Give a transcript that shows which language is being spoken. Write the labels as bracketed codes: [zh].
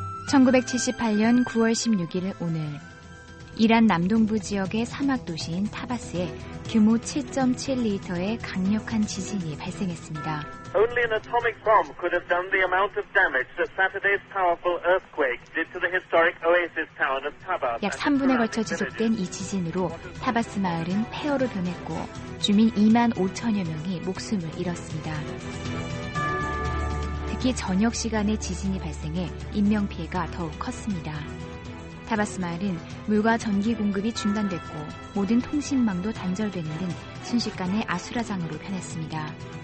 [ko] 1978년 9월 16일 오늘, 이란 남동부 지역의 사막 도시인 타바스에 규모 7.7리터의 강력한 지진이 발생했습니다. [en] Only an atomic bomb could have done the amount of damage that Saturday's powerful earthquake did to the historic oasis town of Tabas. [ko] 약 3분에 걸쳐 지속된 이 지진으로 타바스 마을은 폐허로 변했고 주민 2만 5천여 명이 목숨을 잃었습니다. 특히 저녁 시간에 지진이 발생해 인명피해가 더욱 컸습니다. 타바스 마을은 물과 전기 공급이 중단됐고 모든 통신망도 단절되는 등 순식간에 아수라장으로 변했습니다.